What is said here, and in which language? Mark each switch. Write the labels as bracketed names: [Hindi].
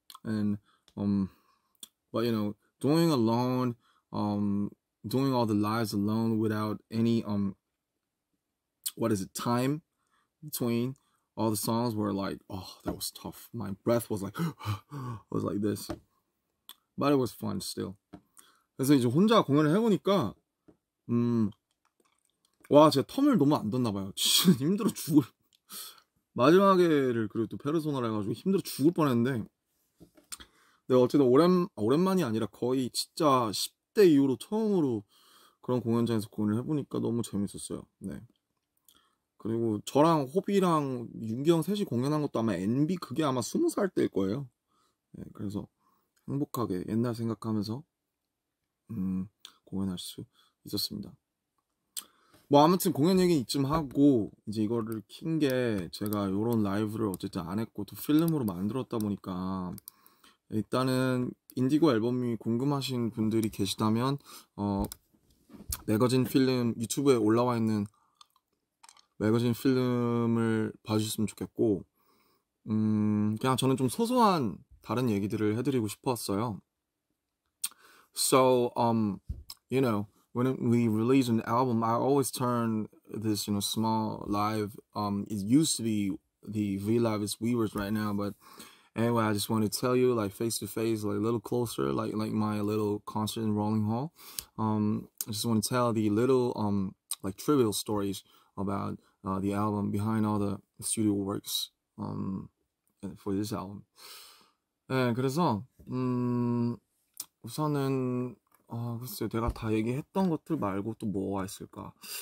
[English] And but doing alone, doing all the lives alone without any time between all the songs were like, oh, that was tough. My breath was like was like this, but it was fun still. [Korean] 그래서 이제 혼자 공연을 해보니까 와, 제가 텀을 너무 안 뒀나 봐요. 힘들어 죽을 마지막에를 그리고 또 페르소나를 해가지고 힘들어 죽을 뻔했는데, 내가 어쨌든 오랜만이 아니라 거의 진짜 10대 이후로 처음으로 그런 공연장에서 공연을 해보니까 너무 재밌었어요. 네. 그리고 저랑 호비랑 윤기 형 셋이 공연한 것도 아마 MB, 그게 아마 20살 때일 거예요. 네, 그래서 행복하게 옛날 생각하면서 공연할 수 있었습니다. 뭐 아무튼 공연 얘기는 이쯤 하고, 이제 이거를 킨게 제가 요런 라이브를 어쨌든 안 했고 또 필름으로 만들었다 보니까, 일단은 인디고 앨범이 궁금하신 분들이 계시다면 매거진 필름 유튜브에 올라와 있는 매거진 필름을 봐주셨으면 좋겠고, 그냥 저는 좀 소소한 다른 얘기들을 해드리고 싶었어요. [English] So, you know, when we release an album, I always turn this, small live. It used to be the V Live is WeWork right now, but anyway, I just want to tell you, like face to face, like a little closer, like my little concert in Rolling Hall. I just want to tell the little like trivial stories about the album behind all the studio works for this album. [Korean] 네, 그래서 우선은 글쎄요, 제가 다 얘기했던 것들 말고 또 뭐가 있을까?